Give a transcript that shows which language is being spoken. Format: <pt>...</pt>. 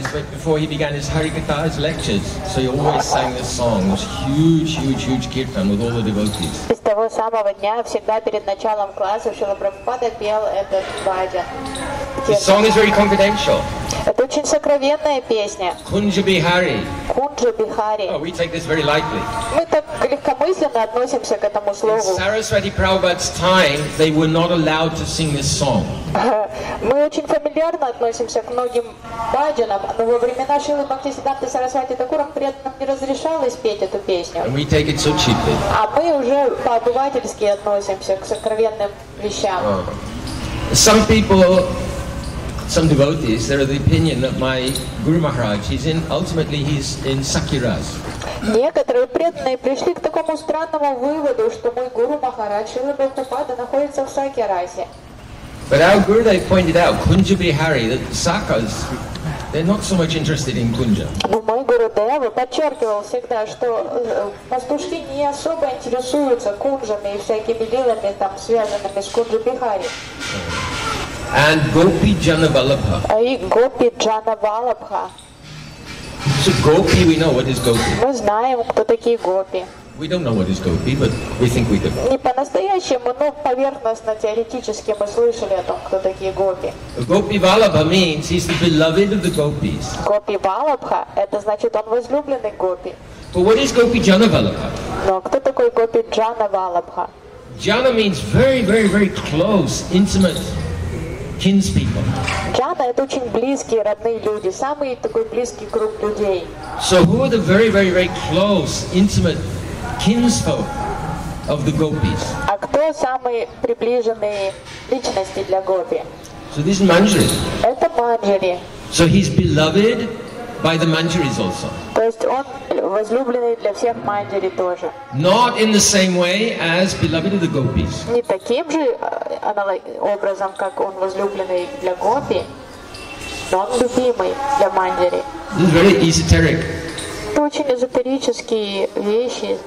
<en>Before he began his Harikatha, his lectures, so he always sang this song, this huge, huge, huge kirtan with all the devotees.</en> <ru>С того самого дня, всегда перед началом класса, Шрила Прабхупада пел этот баджан.</ru> <en>The song is very confidential.</en> <ru>Это очень сокровенная песня.</ru> <en>Kunja Bihari.</en> <ru>Kunja Bihari.</ru> <en>Oh, we take this very lightly.</en> <ru>Мы так легкомысленно относимся к этому слову.</ru> <en>In Saraswati Prabhupada's time, they were not allowed to sing this song.</en> <ru>Мы очень фамильярно относимся к многим баджанам, но во времена Шрилы Бхактисиддханты Сарасвати Такурам преданным не разрешалось петь эту песню.</ru> <en>And we take it so cheaply.</en> <ru>А мы уже по-обывательски относимся к сокровенным вещам.</ru> <en>Some people, some devotees, they're of the opinion that my Guru Maharaj, he's in Sakiras.</en> <ru>Некоторые преданные пришли к такому странному выводу, что мой Гуру Махарадж, Шрила Прабхупада, находится в Сакирасе.</ru> <en>But our Gurudev pointed out, Kunja Bihari, that the Sakas, they're not so much interested in Kunja.</en> <ru>Но мой Гурудев подчеркивал всегда, что пастушки не особо интересуются кунжами и всякими лилами, там, связанными с Кунджа Бихари.</ru> <en>And Gopi Jana Vallabha.</en> <ru>И Gopi Jana Vallabha.</ru> <en>So Gopi, we know what is Gopi.</en> <ru>Мы знаем, кто такие Гопи.</ru> <en>We don't know what is Gopi, but we think we do.</en> <ru>Не по-настоящему, но поверхностно, теоретически мы слышали о том, кто такие Гопи.</ru> <en>Gopi Vallabha means he's the beloved of the Gopis.</en> <ru>Gopi Vallabha, это значит, он возлюбленный Гопи.</ru> <en>But what is Gopi Jana Vallabha?</en> <ru>Но кто такой Gopi Jana Vallabha?</ru> <en>Jana means very, very, very close, intimate.</en> <ru>Джана — это очень близкие, родные люди, самый такой близкий круг людей.</ru> <en>So who are the very, very, very close, intimate kinsfolk of the gopis?</en> <ru>А кто самые приближенные личности для гопи?</ru> <en>So this is Manjari.</en> <ru>Это Манджари.</ru> <en>So he's beloved by the Manjaris also.</en> <ru>То есть он возлюбленный для всех Манджари тоже.</ru> <en>Not in the same way as beloved of the gopis.</en> <ru>Не таким же образом, как он возлюбленный для гопи, но он любимый для Манджари.</ru> <en>This is very esoteric.</en> <ru>какие-то очень эзотерические вещи</ru>